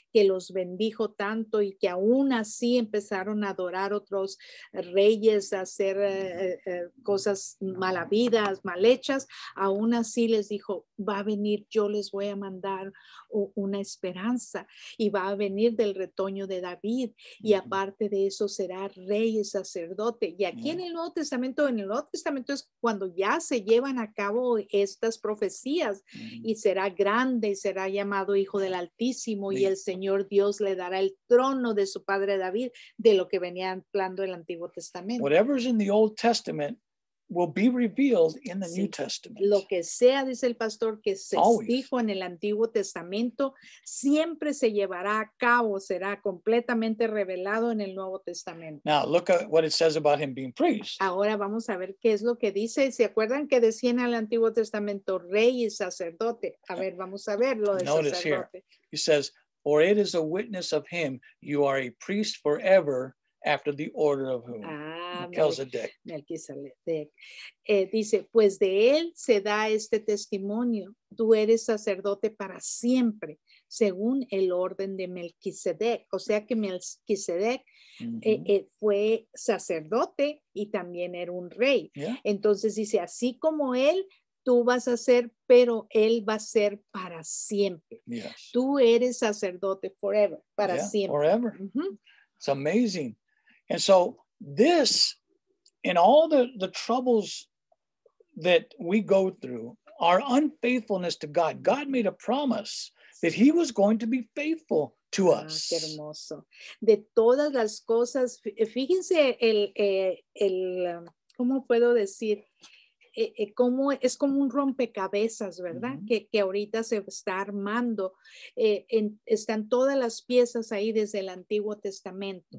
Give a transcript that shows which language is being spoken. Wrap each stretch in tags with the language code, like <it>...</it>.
<es>que los bendijo tanto y que aún así empezaron a adorar otros reyes, a hacer cosas malavidas, mal hechas, aún así les dijo, va a venir, yo les voy a mandar una esperanza y va a venir del retoño de David y aparte de eso será rey y sacerdote. Y aquí en el Nuevo Testamento, es cuando ya se llevan a cabo estas profecías y será grande y será llamado Hijo del Altísimo y el Señor Dios le dará el trono de su padre David, de lo que venía hablando el Antiguo Testamento.</es> <en>Whatever is in the Old Testament will be revealed in the New Testament.</en> <es>Lo que sea, dice el pastor, que se dijo en el Antiguo Testamento, siempre se llevará a cabo, será completamente revelado en el Nuevo Testamento.</es> <en>Now, look at what it says about him being priest.</en> <es>Ahora vamos a ver qué es lo que dice. ¿Se acuerdan que decía en el Antiguo Testamento rey y sacerdote? A ver, vamos a ver lo de sacerdote.</es> <en>Notice here, he says, for it is a witness of him, you are a priest forever, after the order of whom?</en> <es>Melquisedec. Melquisedec. Dice, pues de él se da este testimonio. Tú eres sacerdote para siempre, según el orden de Melquisedec. O sea que Melquisedec fue sacerdote y también era un rey.</es> <en>Yeah.</en> <es>Entonces dice, así como él, tú vas a ser, pero él va a ser para siempre.</es> <en>Yes.</en> <es>Tú eres sacerdote forever, para siempre.</es> <en>Forever. It's amazing. And so this, in all the troubles that we go through, our unfaithfulness to God, God made a promise that he was going to be faithful to us.</en> <es>Ah, qué hermoso. De todas las cosas, fíjense el ¿cómo puedo decir? Como, es como un rompecabezas, ¿verdad? Mm-hmm. Que ahorita se está armando. Están todas las piezas ahí desde el Antiguo Testamento.</es>